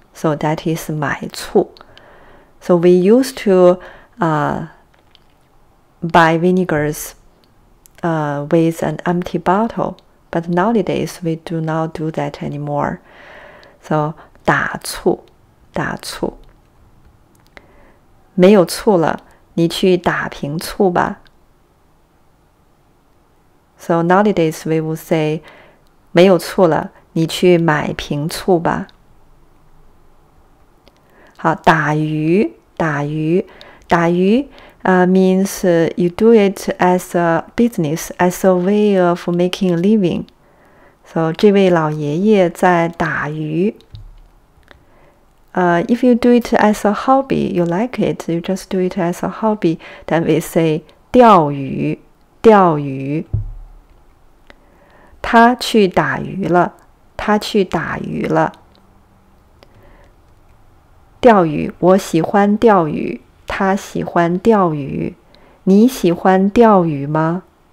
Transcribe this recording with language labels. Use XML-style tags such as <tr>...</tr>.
<en>So that is 买醋. So we used to buy vinegars with an empty bottle, but nowadays we do not do that anymore. So 打醋, 打醋.</en> <zh>没有醋了，你去打瓶醋吧。</zh> <en>So nowadays, we will say,</en> <zh>没有醋了，你去买瓶醋吧。好，打鱼，打鱼，打鱼</zh> <en>means you do it as a business, as a way of making a living.</en> <zh>So 这位老爷爷在打鱼。</zh> <en>If you do it as a hobby, you like it, you just do it as a hobby, then we say 钓鱼，钓鱼。</en> <zh>他去打鱼了，他去打鱼了。钓鱼，我喜欢钓鱼，他喜欢钓鱼，你喜欢钓鱼吗？</zh>